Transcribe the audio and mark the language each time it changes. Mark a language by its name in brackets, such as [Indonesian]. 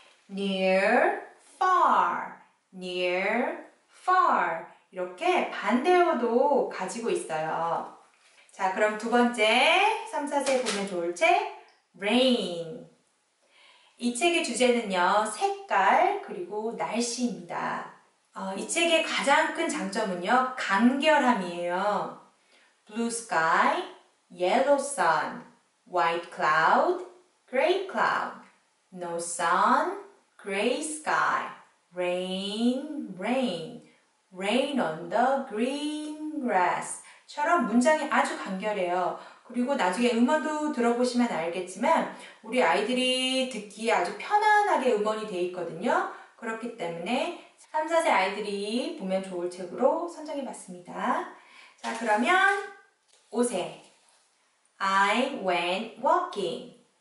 [English] near, far, near, far [Korean] 이렇게 반대어도 가지고 있어요. 자, 그럼 두 번째 3, 4세 보면 좋을 책 rain. 이 책의 주제는요, 색깔 그리고 날씨입니다. 이 책의 가장 큰 장점은요, 간결함이에요. [English] Blue sky, yellow sun, white cloud, gray cloud, no sun, gray sky, rain, rain, rain on the green grass [Korean] 처럼 문장이 아주 간결해요. 그리고 나중에 음원도 들어보시면 알겠지만 우리 아이들이 듣기에 아주 편안하게 음원이 되어 있거든요. 그렇기 때문에 3, 4세 아이들이 보면 좋을 책으로 선정해 봤습니다. 자, 그러면 5세 I went walking.